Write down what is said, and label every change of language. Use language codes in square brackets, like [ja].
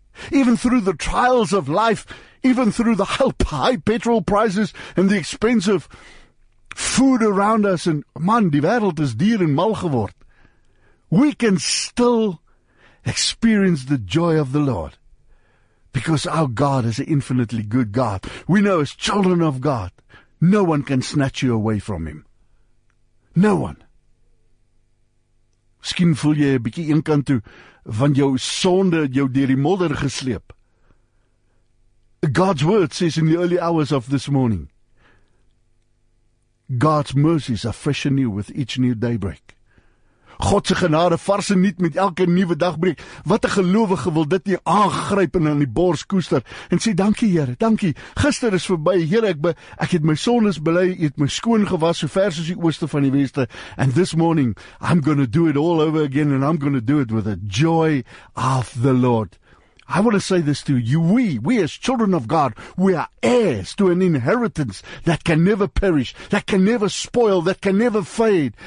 [en] Even through the trials of life, even through the high petrol prices and the expensive food around us, and man, [af] die wereld is dier en mal geword. [en] We can still experience the joy of the Lord. Because our God is an infinitely good God. We know as children of God, no one can snatch you away from Him. No one. [af] Miskien voel jy 'n bietjie eenkant toe, want jou sonde het jou deur die modder gesleep. [en] God's word says in the early hours of this morning, God's mercies are fresh and new with each new daybreak. [af] God se genade vars en nuut met elke nuwe dagbreek. Wat 'n gelowige wil dit nie aangryp en aan die bors koester en sê dankie Here, dankie. Gister is verby, Here, ek het my sondes bely, ek het my skoon gewas so ver soos die ooste van die weste. [en] And this morning, I'm going to do it all over again and I'm going to do it with a joy of the Lord. I want to say this to you, we as children of God, we are heirs to an inheritance that can never perish, that can never spoil, that can never fade.